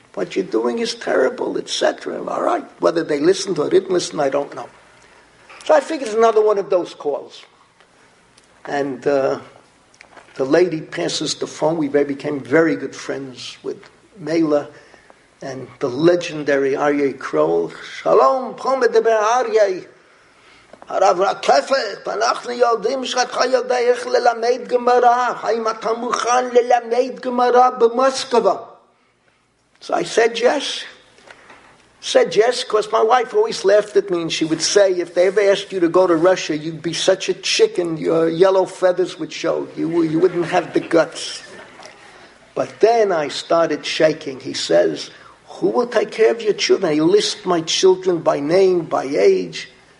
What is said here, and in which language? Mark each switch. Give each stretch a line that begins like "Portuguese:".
English: what you're doing is terrible, etc. All right, whether they listened or didn't listen, I don't know. So I figured it's another one of those calls. And the lady passes the phone. We became very good friends with Mela and the legendary Aryeh Kroll.
Hebrew: Shalom, Pomer Deber Aryeh. הרב רקפת, אנחנו יודעים שאתה יודע איך ללמד גמרא, האם אתה מוכן ללמד גמרא במוסקבה?
English: So I said yes. Said yes, because my wife always laughed at me and she would say, if they ever asked you to go to Russia, you'd be such a chicken, your yellow feathers would show. You wouldn't have the guts. But then I started shaking. He says, who will take care of your children? He lists my children by name, by age.